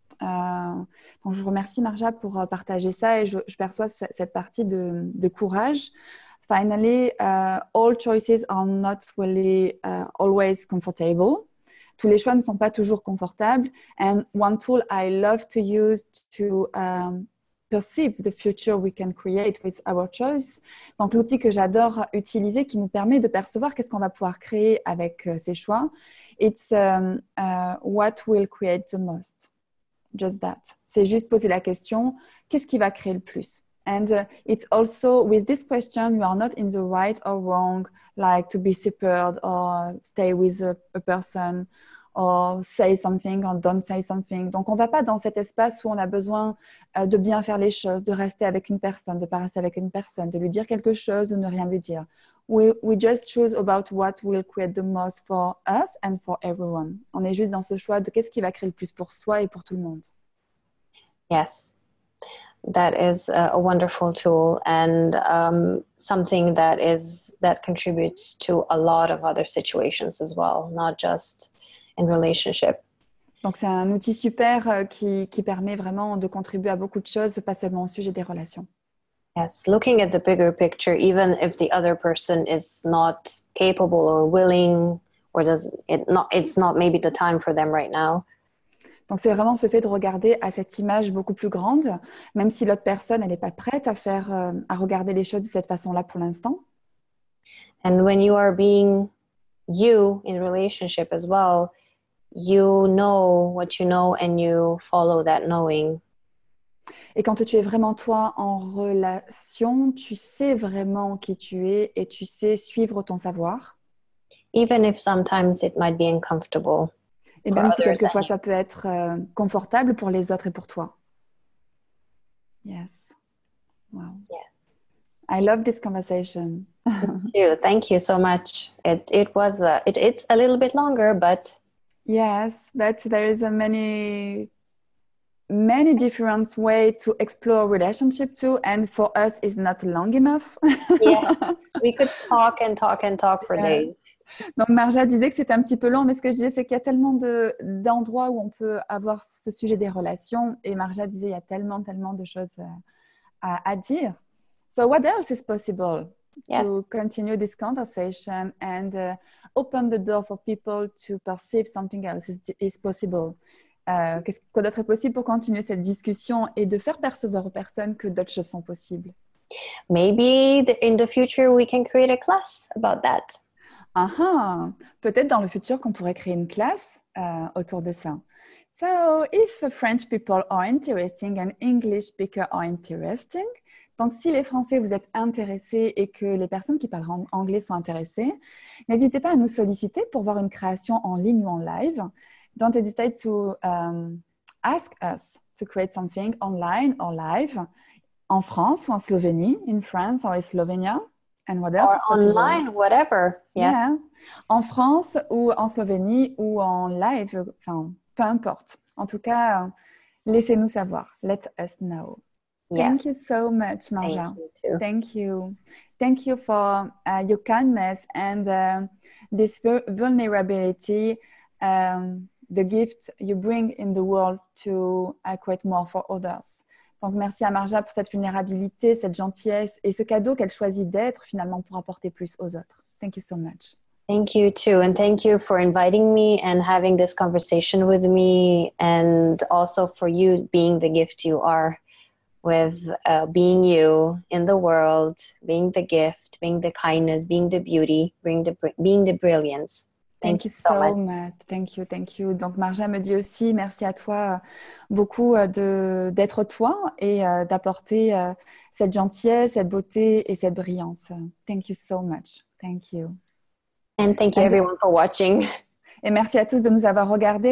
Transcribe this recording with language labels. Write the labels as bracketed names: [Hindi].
[French] Donc je remercie Marja pour partager ça et je perçois cette partie de courage. [English] Finally, all choices are not really always comfortable. [French] Tous les choix ne sont pas toujours confortables. [English] And one tool I love to use to perceive the future we can create with our choice. [French] Donc, l'outil que j'adore utiliser qui nous permet de percevoir qu'est-ce qu'on va pouvoir créer avec ces choix, [English] it's what will create the most. Just that. [French] C'est juste poser la question, qu'est-ce qui va créer le plus? [English] And it's also, with this question, you are not in the right or wrong, like to be separate or stay with a person or say something or don't say something. [French] Donc, on ne va pas dans cet espace où on a besoin de bien faire les choses, de rester avec une personne, de ne pas rester avec une personne, de lui dire quelque chose ou ne rien lui dire. [English] We just choose about what will create the most for us and for everyone. [French] On est juste dans ce choix de qu'est-ce qui va créer le plus pour soi et pour tout le monde. [English] Yes, that is a wonderful tool and something that is that contributes to a lot of other situations as well, not just in relationship. [French] Donc c'est un outil super qui permet vraiment de contribuer à beaucoup de choses, pas seulement au sujet des relations. [English] Yes, looking at the bigger picture, even if the other person is not capable or willing, or does it not, it's not maybe the time for them right now. [French] Donc c'est vraiment ce fait de regarder à cette image beaucoup plus grande, même si l'autre personne n'est pas prête à faire à regarder les choses de cette façon-là pour l'instant. [English] And when you are being you in relationship as well, you know what you know and you follow that knowing. [French] Et quand tu es vraiment toi en relation, tu sais vraiment qui tu es et tu sais suivre ton savoir. [English] Even if sometimes it might be uncomfortable. [French] Et même si quelquefois ça peut être confortable pour les autres et pour toi. [English] Yes. Wow. Yeah. I love this conversation. Thank you so much. It's a little bit longer, but... Yes, but there is a many... many different way to explore relationship too, and for us is not long enough. Yeah, we could talk and talk and talk for days. [French] Donc Marja disait que c'était un petit peu long, mais ce que je disais c'est qu'il y a tellement d'endroits où on peut avoir ce sujet des relations, et Marja disait il y a tellement de choses à dire. [English] So what else is possible to continue this conversation and open the door for people to perceive something else is possible? [French] Quoi d'autre est possible pour continuer cette discussion et de faire percevoir aux personnes que d'autres choses sont possibles? [English] Maybe in the future we can create a class about that. [French] Peut-être dans le futur qu'on pourrait créer une classe autour de ça. [English] So, if French people are interesting and English speakers are interesting, [French] donc si les Français vous êtes intéressés et que les personnes qui parlent anglais sont intéressées, n'hésitez pas à nous solliciter pour voir une création en ligne ou en live. [English] Don't hesitate to ask us to create something online or live in France or in Slovenia, in France or in Slovenia, and what else? Or online, whatever. Yes. Yeah. [French] En France ou en Slovénie ou en live, enfin, peu importe. En tout cas, laissez-nous savoir. [English] Let us know. Yes. Thank you so much, Marja. Thank you too. Thank you. Thank you for your kindness and this vulnerability. The gift you bring in the world to create more for others. [French] Donc, merci à Marja pour cette vulnérabilité, cette gentillesse et ce cadeau qu'elle choisit d'être finalement pour apporter plus aux autres. [English] Thank you so much. Thank you too. And thank you for inviting me and having this conversation with me and also for you being the gift you are with being you in the world, being the gift, being the kindness, being the beauty, being the brilliance. Thank you so much. Thank you. [French] Donc, Marja me dit aussi, merci à toi beaucoup d'être toi et d'apporter cette gentillesse, cette beauté et cette brillance. [English] Thank you so much. Thank you. And thank you everyone for watching. [French] Et merci à tous de nous avoir regardés.